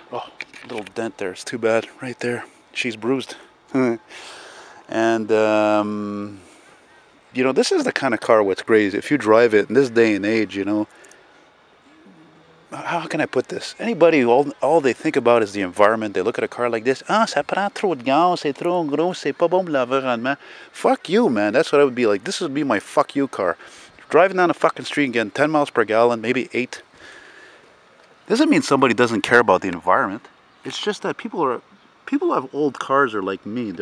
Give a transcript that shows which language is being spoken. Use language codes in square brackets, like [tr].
[en] Oh, little dent there. It's too bad. Right there. She's bruised. And, you know, this is the kind of car what's crazy. If you drive it in this day and age, you know, how can I put this? Anybody, all they think about is the environment. They look at a car like this. [fr] Ah, ça prend trop de gaz, c'est trop gros, c'est pas bon pour l'environnement. [en] Fuck you, man. That's what I would be like. This would be my fuck you car. Driving down a fucking street and getting 10 miles per gallon, maybe 8. Doesn't mean somebody doesn't care about the environment. It's just that people who have old cars are like me.